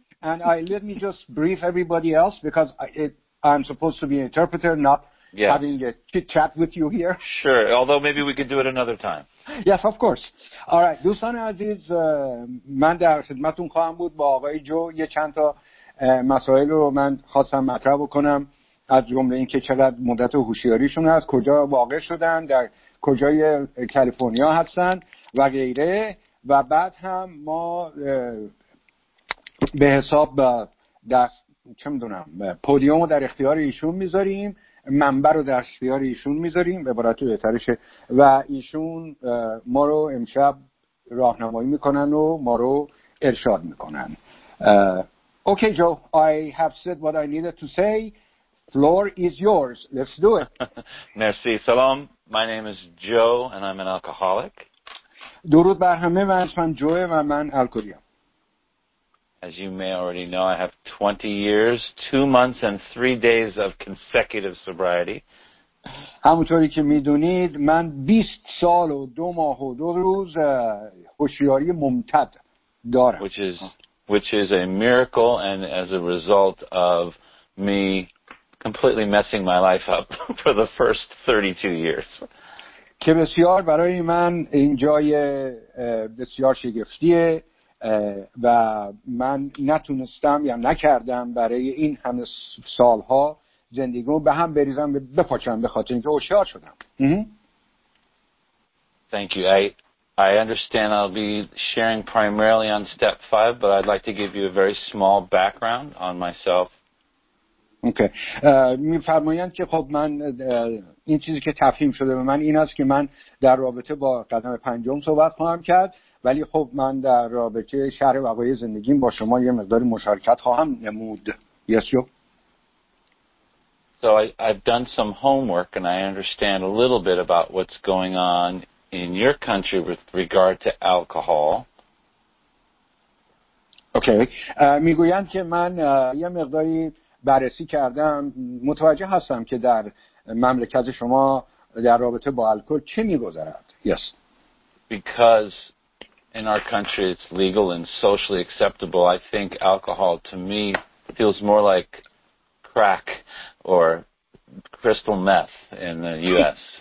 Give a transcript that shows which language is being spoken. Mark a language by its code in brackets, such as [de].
[en] And let me just brief everybody else because I'm supposed to be an interpreter, not having a chit-chat with you here. Sure, although maybe we could do it another time. Yes, of course. All right, [fa] دوستان عزیز، من در خدمتون خواهم بود. با آقای جو یه چند تا مسائل رو من خواستم مطرح بکنم، از جمله اینکه چقدر مدت هوشیاریشون هست، کجا واقع شدن، در کجای کالیفرنیا هستن و غیره. و بعد هم ما به حساب دست چه میدونم پودیوم رو در اختیار ایشون میذاریم، منبر رو در اختیار ایشون میذاریم به عبارت بهترشه، و ایشون ما رو امشب راهنمایی میکنن و ما رو ارشاد میکنن. [en] Okay, Joe, I have said what I needed to say. Floor is yours. Let's do it. [fa] Merci. Salam. [en] My name is Joe and I'm an alcoholic. [fa] درود بر همه، من اسمم جوه و من الکلیم. [en] As you may already know, I have 20 years, 2 months, and 3 days of consecutive sobriety. [fa] همونطوری که میدونید من 20 سال و 2 ماه و 2 روز هوشیاری ممتد دارم. [en] Which is a miracle, and as a result of me completely messing my life up for the first 32 years. [fa] که بسیار برای من اینجای بسیار شگفتیه. و من نتونستم یا نکردم برای این همه سالها زندگیمو به هم بریزم و بپاچم به خاطر اینکه هوشیار شدم. [en] Thank you. I understand I'll be sharing primarily on step 5, but I'd like to give you a very small background on myself. Okay. [fa] می‌فرمایند که خب من این چیزی که تفهیم شده به من این است که من در رابطه با قدم پنجم صحبت خواهم کرد، ولی خب من در رابطه شرح وقایع زندگیم با شما یه مقدار مشارکت خواهم نمود. [en] Yes, you. So I've done some homework and I understand a little bit about what's going on in your country with regard to alcohol. Okay. [fa] میگویند که من یه مقداری بررسی کردم، متوجه هستم که در مملکت شما در رابطه با الکل چه می‌گذرد. [en] Yes. Because in our country it's legal and socially acceptable, I think alcohol to me feels more like crack or crystal meth in the US.